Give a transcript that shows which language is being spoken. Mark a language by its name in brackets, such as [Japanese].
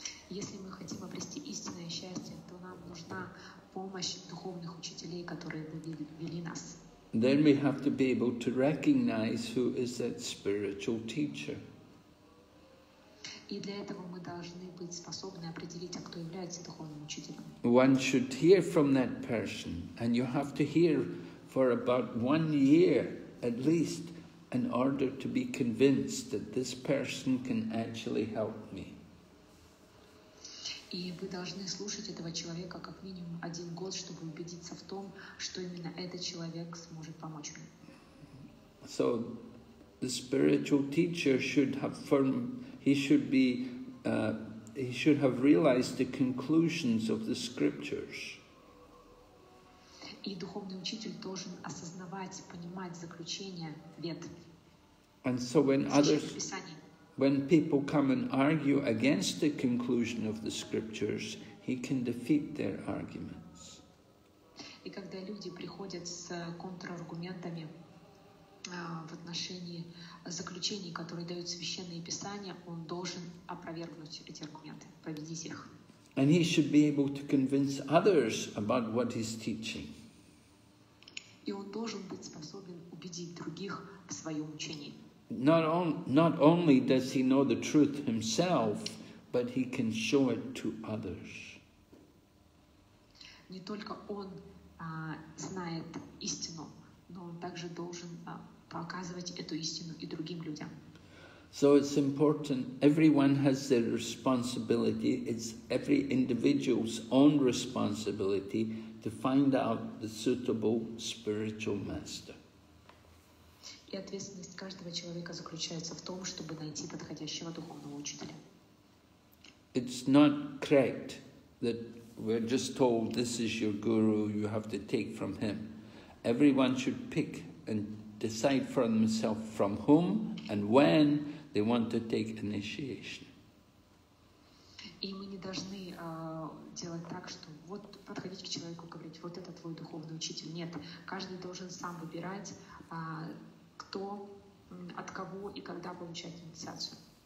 [Russian] Если мы хотим обрести истинное счастье, то нам нужна помощь духовных учителей, которые вели нас. [English] Then we have to be able to recognize who is that spiritual teacher. [Russian] И для этого мы должны быть способны определить, а кто является духовным учителем. [English] One should hear from that person, and you have to hear for about 1 year at least in order to be convinced that this person can actually help me. [Russian] И вы должны слушать этого человека как минимум 1 год, чтобы убедиться в том, что именно этот человек сможет помочь мне. [English] So the spiritual teacher should have firm, he should have realized the conclusions of the scriptures. [Russian] И духовный учитель должен осознавать, понимать заключения вет. [English] And so when others, when people come and argue against the conclusion of the scriptures, he can defeat their arguments. [Russian] И когда люди приходят с контраргументами в отношении заключений, которые дают священные писания, он должен опровергнуть эти аргументы, победить их. [English] And he should be able to convince others about what he's teaching. [Russian] И он должен быть способен убедить других в своем учении. [English] Not only does he know the truth himself, but he can show it to others. [Russian] Не только он знает истину, но он также должен показывать эту истину и другим людям. [English] So it's important. Everyone has their responsibility. It's every individual's own responsibility to find out the suitable spiritual master. [Russian] И ответственность каждого человека заключается в том, чтобы найти подходящего духовного учителя. [English] It's not correct that we're just told this is your guru, you have to take from him. Everyone should pick and decide for themselves from whom and when they want to take initiation. [Russian] И мы не должны делать так, что вот подходить к человеку и говорить, вот это твой духовный учитель. Нет, каждый должен сам выбирать, кто, от кого и когда получать инициацию.